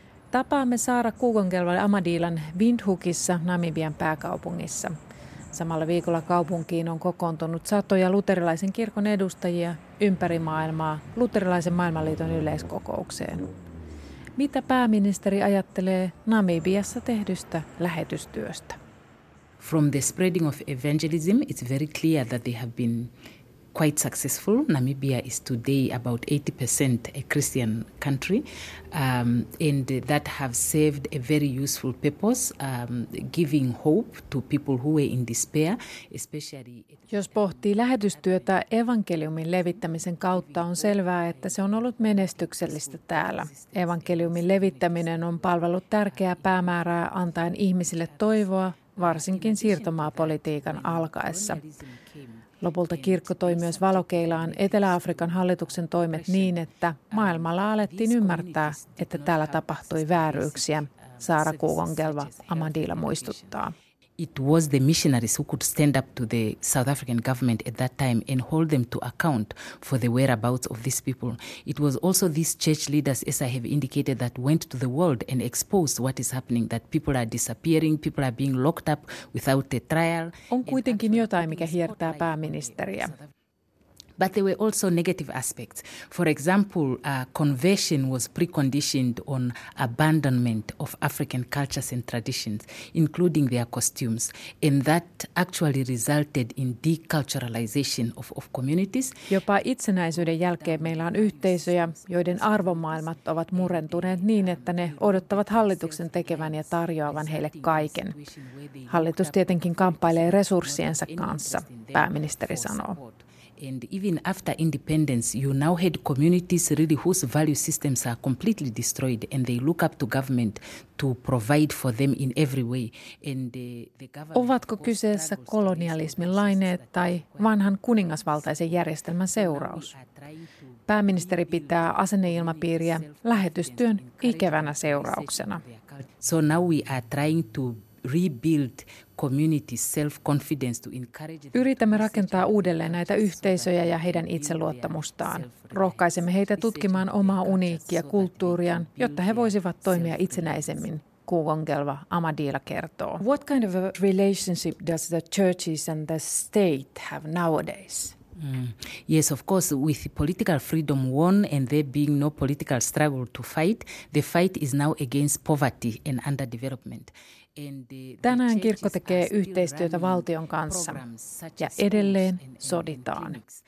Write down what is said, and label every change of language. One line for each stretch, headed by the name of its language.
Finnish: Tapaamme Saara Kuukongelva Amadilan Windhoekissa Namibian pääkaupungissa. Samalla viikolla kaupunkiin on kokoontunut satoja luterilaisen kirkon edustajia ympäri maailmaa luterilaisen maailmanliiton yleiskokoukseen. Mitä pääministeri ajattelee Namibiassa tehdystä lähetystyöstä?
English: From the spreading of evangelism, it's very clear that they have been quite successful. Namibia is today about 80% a Christian country, and that have served a very useful purpose, giving hope to people who were in despair, especially.
Finnish: Jos pohtii lähetystyötä evankeliumin levittämisen kautta, on selvää, että se on ollut menestyksellistä täällä. Evankeliumin levittäminen on palvellut tärkeää päämäärää antaen ihmisille toivoa, varsinkin siirtomaapolitiikan alkaessa. Lopulta kirkko toi myös valokeilaan Etelä-Afrikan hallituksen toimet niin, että maailmalla alettiin ymmärtää, että täällä tapahtui vääryyksiä, Saara Kuukongelva Amadila muistuttaa.
English: it was the missionaries who could stand up to the South African government at that time and hold them to account for the whereabouts of these people. It was also these church leaders, as I have indicated, that went to the world and exposed what is happening, that people are disappearing, people are being locked up without a trial.
Finnish: On kuitenkin jotain, mikä hiertää pääministeriä.
English: But there were also negative aspects. For example, conversion was preconditioned on abandonment of African cultures and traditions, including their costumes. And that actually resulted in deculturalization of communities.
Finnish: Jopa itsenäisyyden jälkeen meillä on yhteisöjä, joiden arvomaailmat ovat murentuneet niin, että ne odottavat hallituksen tekevän ja tarjoavan heille kaiken. Hallitus tietenkin kamppailee resurssiensa kanssa, pääministeri sanoo.
English: And even after independence, you now had communities really whose value systems are completely destroyed, and they look up to government to provide for them in every way. And the government.
Finnish: Ovatko kyseessä kolonialismin laineet tai vanhan kuningasvaltaisen järjestelmän seuraus? Pääministeri pitää asenneilmapiiriä lähetystyön ikävänä seurauksena.
English: So now we are trying to rebuild community self-confidence to encourage.
Finnish: Yritämme rakentaa uudelleen näitä yhteisöjä ja heidän itseluottamustaan. Rohkaisemme heitä tutkimaan omaa uniikkia kulttuuriaan, jotta he voisivat toimia itsenäisemmin, Kuvongelva Amadila kertoo.
English: What kind of a relationship does the churches and the state have nowadays? Yes, of course, with political freedom won and there being no political struggle to fight, the fight is now against poverty and underdevelopment.
Finnish: Tänään kirkko tekee yhteistyötä valtion kanssa ja edelleen soditaan.